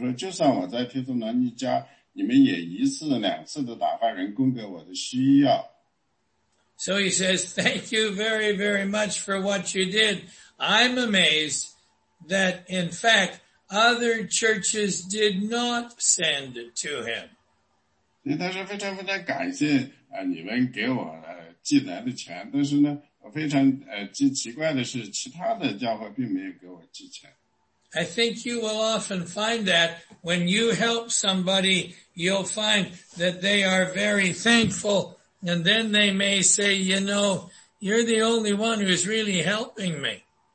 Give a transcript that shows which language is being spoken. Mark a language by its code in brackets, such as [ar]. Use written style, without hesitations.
[zh] 所以呢，第十六节继续说，就算我在帖撒罗尼迦。你们也一次两次地打发人供给我的需要。 [en] So he says, thank you very, very much for what you did. I'm amazed that, in fact, other churches did not send to him. [zh] 所以他说非常非常感谢你们给我寄来的钱,但是呢,非常奇怪的是,其他的教会并没有给我寄钱。 [en] I think you will often find that when you help somebody, you'll find that they are very thankful, and then they may say, you know, you're the only one who's really helping me.